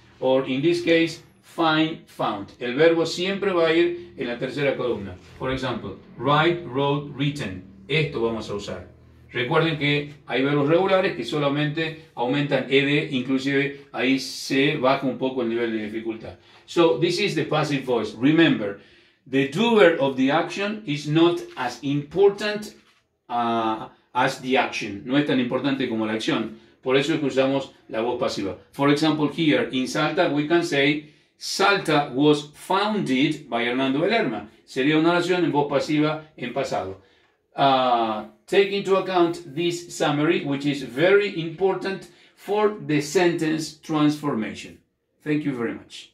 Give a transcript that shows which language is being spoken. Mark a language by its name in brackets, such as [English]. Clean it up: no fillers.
[English] O in this case, find, found. [Spanish] El verbo siempre va a ir en la tercera columna. Por ejemplo, write, wrote, written. Esto vamos a usar. Recuerden que hay verbos regulares que solamente aumentan ED, inclusive ahí se baja un poco el nivel de dificultad. [English] So, this is the passive voice. Remember, the doer of the action is not as important as the action. [Spanish] No es tan importante como la acción. Por eso es que usamos la voz pasiva. [English] For example, here in Salta, we can say Salta was founded by Hernando Lerma. [Spanish] Sería una oración en voz pasiva en pasado. [English] Take into account this summary, which is very important for the sentence transformation. Thank you very much.